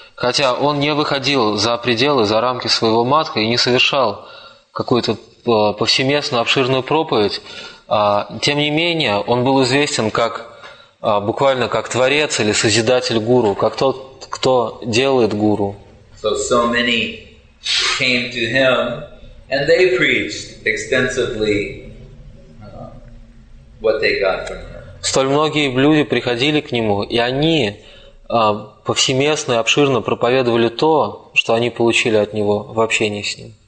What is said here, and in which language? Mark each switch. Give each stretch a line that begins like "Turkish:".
Russian: Хотя он не выходил за пределы, за рамки своего матха и не совершал какую-то повсеместную обширную проповедь, тем не менее он был известен как буквально как творец или созидатель гуру, как тот, кто делает гуру.
English: So many came to him. And they preached extensively what they got from him.
Russian: Столь многие люди приходили к нему, и они повсеместно и обширно проповедовали то, что они получили от него в общении с ним.